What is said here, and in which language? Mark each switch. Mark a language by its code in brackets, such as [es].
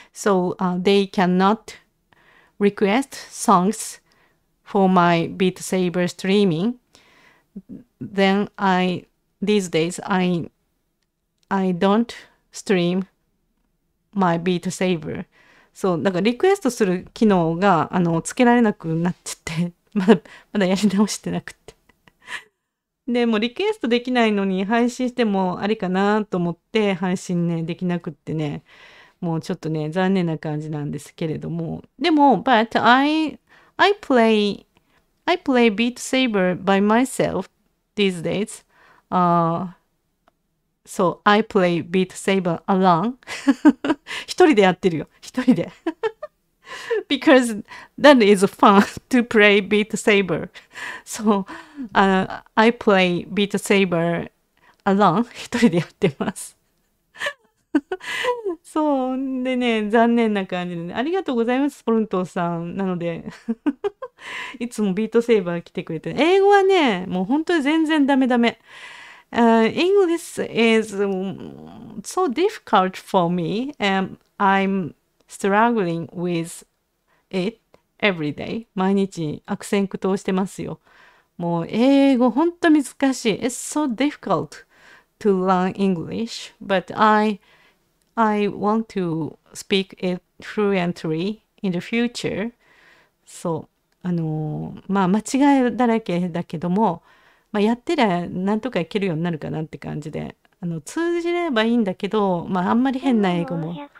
[en] So they cannot request songs for my Beat Saber streaming. Then these days I don't stream my Beat Saber. [ja] そう、なんかリクエストする機能がつけられなくなっちゃって、まだやり直してなくて。でもリクエストできないのに配信してもありかなと思って、配信ねできなくってね、もうちょっとね残念な感じなんですけれども、でも [en] but I play Beat Saber by myself these days. So I play Beat Saber alone [ja] 一人でやってるよ、一人で [en] because that is fun to play Beat Saber. So I play Beat Saber alone [ja] 一人でやってますそうでね、残念な感じで、ね、ありがとうございますスポルントさん。なのでいつもビートセイバー来てくれて、英語はねもう本当に全然ダメダメ。 [en] English is so difficult for me and I'm struggling with it every day. [ja] 毎日悪戦苦闘してますよ。もう英語本当に難しい。 [en] It's so difficult to learn English, but I want to speak it fluently in the future. [ja] So, まあ間違いだらけだけども、まあ、やってりゃなんとかいけるようになるかなって感じで、通じればいいんだけど、まああんまり変な英語も。